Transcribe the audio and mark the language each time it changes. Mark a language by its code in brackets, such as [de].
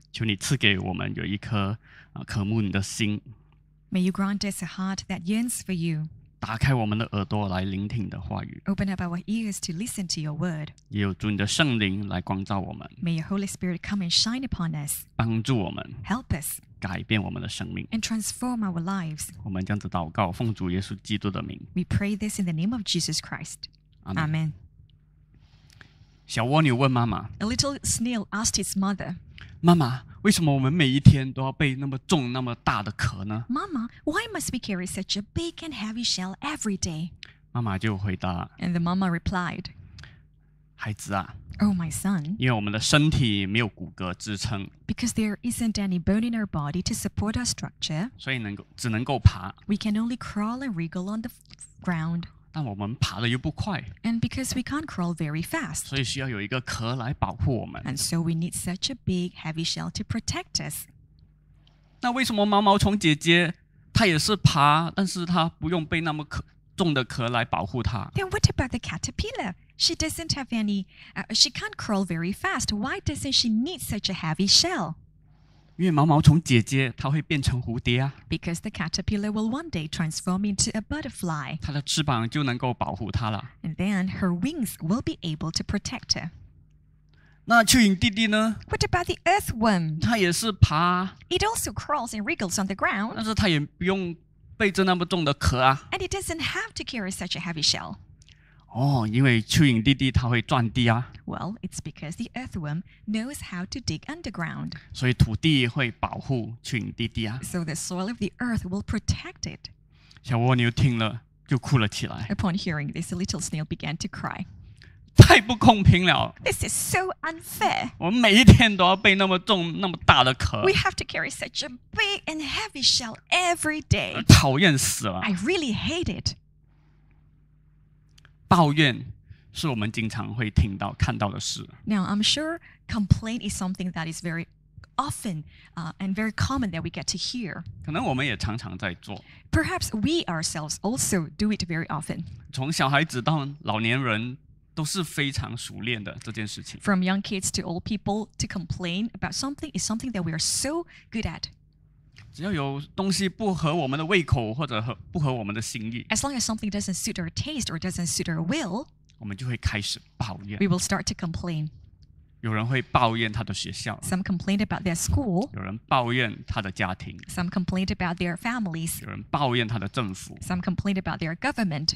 [zh] 求你赐给我们有一颗渴慕你的心。 [en] May you grant us a heart that yearns for you. [zh] 打开我们的耳朵来聆听你的话语。 [en] Open up our ears to listen to your word. [zh] 也有主你的圣灵来光照我们。 [en] May your Holy Spirit come and shine upon us. [zh] 帮助我们。 [en] Help us. [zh] 改变我们的生命。 [en] And transform our lives. [zh] 我们这样子祷告，奉主耶稣基督的名。 [en] We pray this in the name of Jesus Christ. [zh] Amen. 小蜗牛问妈妈。 [en] A little snail asked its mother. [zh] 妈妈，为什么我们每一天都要背那么重那么大的壳呢？ [en] Mama, why must we carry such a big and heavy shell every day? [zh] 妈妈就回答。 [en] And the mama replied, [zh] 孩子啊。 [en] Oh, my son. [zh] 因为我们的身体没有骨骼支撑。 [en] Because there isn't any bone in our body to support our structure. [zh] 所以只能够爬。 [en] We can only crawl and wriggle on the ground. [zh] 但我们爬的又不快。 [en] And because we can't crawl very fast. [zh] 所以需要有一个壳来保护我们。 [en] And so we need such a big heavy shell to protect us. [zh] 那为什么毛毛虫姐姐她也是爬，但是她不用背那么重的壳来保护她。 [en] Then what about the caterpillar? She doesn't have any, she can't crawl very fast. Why doesn't she need such a heavy shell? [zh] 因为毛毛虫姐姐她会变成蝴蝶啊。 [en] Because the caterpillar will one day transform into a butterfly. [zh] 她的翅膀就能够保护她了。 [en] And then her wings will be able to protect her. [zh] 那蚯蚓弟弟呢？ [en] What about the earthworm? [zh] 她也是爬。 [en] It also crawls and wriggles on the ground. [zh] 但是她也不用背着那么重的壳啊。 [en] And it doesn't have to carry such a heavy shell. [zh] 哦，因为蚯蚓弟弟她会钻地啊。 [en] Well, it's because the earthworm knows how to dig underground. [zh] 所以土地会保护蚯蚓弟弟啊。 [en] So the soil of the earth will protect it. [zh] 小蜗牛听了就哭了起来。 [en] Upon hearing this, a little snail began to cry. [zh] 太不公平了。 [en] This is so unfair. [zh] 我们每一天都要背那么重那么大的壳。 [en] We have to carry such a big and heavy shell every day. [zh] 讨厌死了。 [en] I really hate it. [zh] 抱怨是我们经常会听到看到的事。 [en] Now, I'm sure complaint is something that is very often, and very common that we get to hear. [zh] 可能我们也常常在做。 [en] Perhaps we ourselves also do it very often. [zh] 从小孩子到老年人都是非常熟练的这件事情。 [en] From young kids to old people, to complain about something is something that we are so good at. [zh] 只要有东西不合我们的胃口或者不合我们的心意。 [en] As long as something doesn't suit our taste or doesn't suit our will, [zh] 我们就会开始抱怨。 [en] We will start to complain. [zh] 有人会抱怨他的学校。 [en] Some complain about their school. [zh] 有人抱怨他的家庭。 [en] Some complain about their families. [zh] 有人抱怨他的政府。 [en] Some complain about their government.